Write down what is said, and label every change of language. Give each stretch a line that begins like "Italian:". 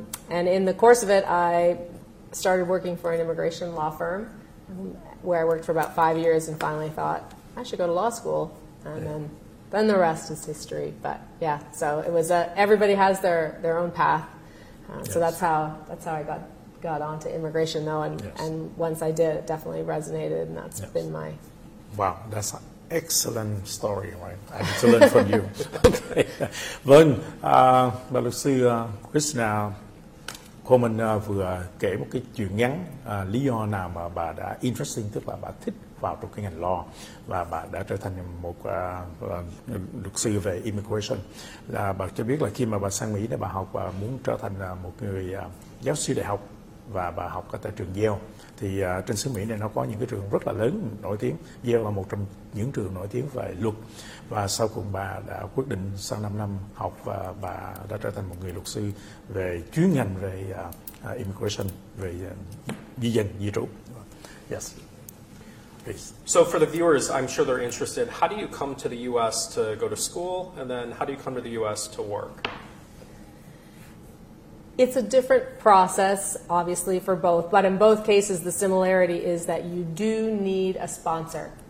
English: And in the course of it, I started working for an immigration law firm, where I worked for about 5 years, and finally thought I should go to law school, and then the rest is history. But yeah, so it was everybody has their own path, so that's how I got onto immigration though, and once I did, it definitely resonated, and that's been my. Wow, that's excellent story, right? I need to learn from you. Okay.
Vietnamese: Vâng, bà luật sư Christina Coleman vừa kể một cái chuyện ngắn, lý do nào mà bà đã interesting, tức là bà thích vào trong cái ngành law, và bà đã trở thành một luật sư về immigration. Là bà cho biết là khi mà bà sang Mỹ để bà học, bà muốn trở thành một người giáo sư đại học, và bà học ở tại trường Yale. Thì trên xứ Mỹ này nó có những cái trường rất là lớn, nổi tiếng. Yale là một trong những trường nổi tiếng về luật. Và sau cùng bà đã quyết định sau 5 năm học, và bà đã trở thành một người luật sư về chuyên ngành về immigration, về di dân, di trú.
English: Yes. Please. So for the viewers, I'm sure they're interested. How do you come to the U.S. to go to school? And then how do you come to the U.S. to work? It's a different process, obviously, for both. But in both cases, the similarity is that you do need a sponsor.